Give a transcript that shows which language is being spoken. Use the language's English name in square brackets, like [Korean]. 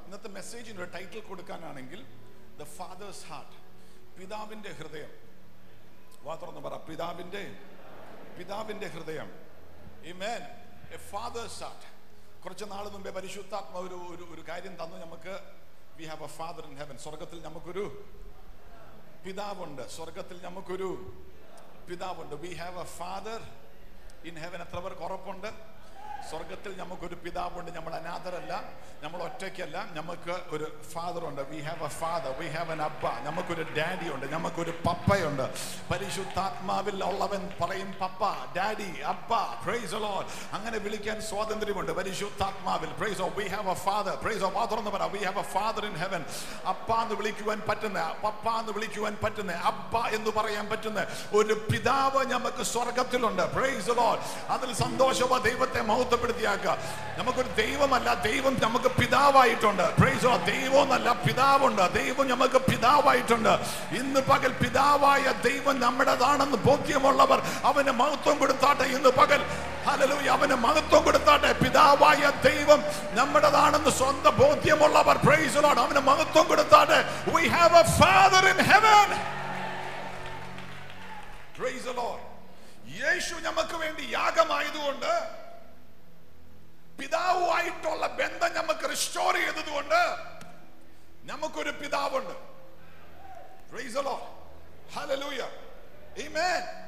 [Malayalam] ഇന്നത്തെ മെസ്സേജിന് ഒരു title കൊടുക്കാനാണെങ്കിൽ [English] the father's heart, [Malayalam] പിതാവിന്റെ ഹൃദയം. വാതുറന്ന് പറ, പിതാവിന്റെ ഹൃദയം. ആമേൻ. [English] A father's heart. [Malayalam] കുറച്ച് നാൾ മുമ്പേ പരിശുദ്ധാത്മാവ് ഒരു കാര്യം തന്നു നമുക്ക്. [English] We have a father in heaven. [Malayalam] സ്വർഗത്തിൽ നമുക്കൊരു പിതാവുണ്ട്. സ്വർഗത്തിൽ നമുക്കൊരു പിതാവുണ്ട്. [English] We have a father in heaven. [Malayalam] എത്ര പേർ ഉറപ്പുണ്ട്? സ്വർഗത്തിൽ നമുക്കൊരു പിതാവുണ്ട്. നമ്മൾ അനാഥരല്ല, നമ്മൾ ഒറ്റയ്ക്കല്ല, നമുക്ക് ഒരു ഫാദറുണ്ട്. [English] We have a father, we have an Abba. [Malayalam] നമുക്കൊരു ഡാഡി ഉണ്ട്, നമുക്കൊരു പപ്പയുണ്ട്. പരിശുദ്ധാത്മാവിൽ ഉള്ളവൻ പറയും പപ്പ, ഡാഡി, അബ്ബ. [English] Praise the lord. [Malayalam] അങ്ങനെ വിളിക്കാൻ സ്വാതന്ത്ര്യമുണ്ട് പരിശുദ്ധാത്മാവിൽ. [English] Praise oh, we have a father. [Malayalam] Price ഓ, മാത്രം പറ, [English] We have a father in heaven. [Malayalam] അപ്പ എന്ന് വിളിക്കുവാൻ പറ്റുന്ന, പപ്പ എന്ന് വിളിക്കുവാൻ പറ്റുന്ന, അബ്ബ എന്ന് പറയാൻ പറ്റുന്ന ഒരു പിതാവ് നമുക്ക് സ്വർഗത്തിലുണ്ട്. [English] Praise the lord. [Malayalam] അതിൽ സന്തോഷമോ? ദൈവത്തെ നമുക്കൊരു ദൈവമല്ല, ദൈവം നമുക്ക് പിതാവായിട്ടുണ്ട്. ദൈവം അല്ല, പിതാവുണ്ട്. ദൈവം നമുക്ക് പിതാവായിട്ടുണ്ട്. ഇന്ന് പകൽ പിതാവായ ദൈവം നമ്മുടേതാണെന്ന് ബോധ്യമുള്ളവർ അവന് മഹത്വം കൊടുത്താട്ടെ. ഇന്ന് പകൽ ഹല്ലേലൂയ അവന് മഹത്വം കൊടുത്താട്ടെ. പിതാവായ ദൈവം നമ്മുടേതാണെന്ന് സ്വന്തം ബോധ്യമുള്ളവർ [English] praise the lord [Malayalam] അവന് മഹത്വം കൊടുത്താട്ടെ. [English] We have a father in heaven. Praise the lord. [Malayalam] യേശു നമുക്ക് വേണ്ടി യാഗമായതുകൊണ്ട് പിതാവുമായിട്ടുള്ള ബന്ധം നമുക്ക് റിസ്റ്റോർ ചെയ്തത് കൊണ്ട് നമുക്കൊരു പിതാവുണ്ട്. [English] Praise the lord. [Malayalam] Hallelujah. Amen.